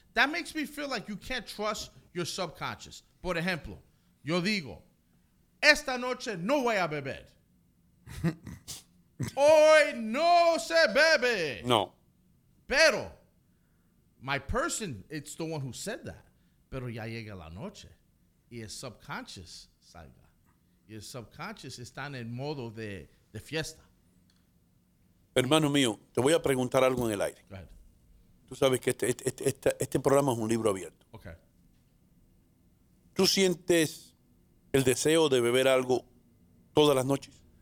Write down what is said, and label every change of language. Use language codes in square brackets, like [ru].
[en] That makes me feel like you can't trust your subconscious. [es] Por ejemplo, yo digo, esta noche no voy a beber. Hoy no se bebe. No. Pero, [en] my person, it's the one who said that. [es] Pero ya llega la noche. Y el subconscious salga. Y el subconscious está en el modo de fiesta. Hermano mío, te voy a preguntar algo en el aire. [en] Go ahead. [es] Tú sabes que este programa es un libro abierto. [en] Okay. [es] ¿Tú sientes el deseo de beber algo todas las noches?